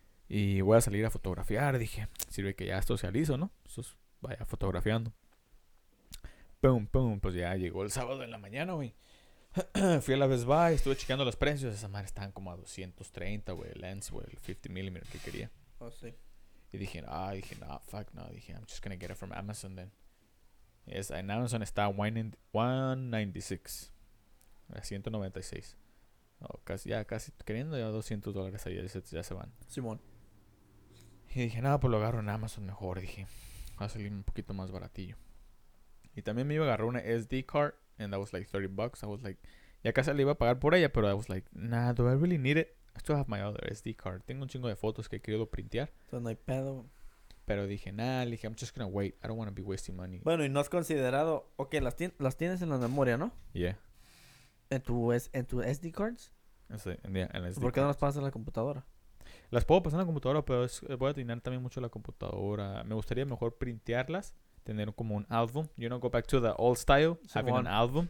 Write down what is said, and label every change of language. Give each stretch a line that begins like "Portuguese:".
Spanish: Y voy a salir a fotografiar. Dije, sirve que ya socializo, ¿no? Entonces vaya fotografiando. Pum, pum. Pues ya llegó el sábado en la mañana, güey. Fui a la Best Buy, estuve chequeando los precios. Esa madre estaban como a 230, güey. El lens, güey, el 50 mm que quería. Oh, sí. Y dije, no,
English: fuck, no. Dije, I'm just gonna get it from Amazon then.
Spanish: Es, en Amazon está $196. Oh, casi, ya casi queriendo ya $200 ahí, ya se van. Simón. Y dije, nada, pues lo agarro en Amazon mejor. Dije, va a salir un poquito más baratillo. Y también me iba a agarrar una SD card,
English: and that was like $30. I was like,
Spanish: ya casi le iba a pagar por ella, pero
English: I was like, nah, do I really need it? I still have my other SD card.
Spanish: Tengo un chingo de fotos que he querido printear. Entonces no hay pedo. Pero dije, nah, le dije,
English: I'm just gonna wait. I don't wanna be wasting money.
Spanish: Bueno, y no has considerado, ok, las tienes en la memoria, ¿no?
English: Yeah.
Spanish: ¿En tu SD cards? Sí, en la SD. ¿Por qué cards? No las pasas a la computadora? Las puedo pasar a la computadora, pero voy a tener también mucho la computadora. Me gustaría mejor printearlas, tener como un álbum.
English: You know, go back to the old style,
Spanish: Simón,
English: having an album.